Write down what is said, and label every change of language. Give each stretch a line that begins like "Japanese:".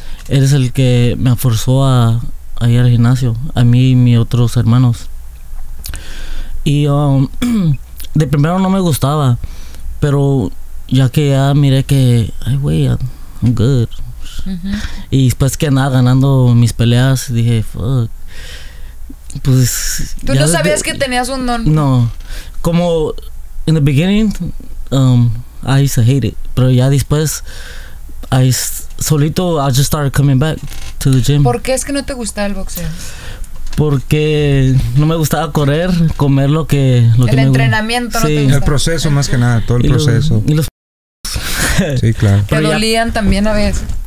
Spanish: Él es el que me forzó a ir al gimnasio, a mí y mis otros hermanos. Y de primero no me gustaba. Pero ya que ya miré que, ay, güey,
English: I'm good.
Spanish: Uh-huh. Y después que andaba ganando mis peleas, dije, fuck. Pues. ¿Tú no sabías que tenías un don? No.
English: Como, in the beginning, I used to hate it.
Spanish: Pero ya después,
English: I just started coming back to the gym.
Spanish: ¿Por qué es que no te gustaba el boxeo? Porque no me gustaba correr, comer lo que el entrenamiento, sí, no te gusta. El proceso más que nada, todo el proceso. Y los sí, claro. Pero que dolían también a veces.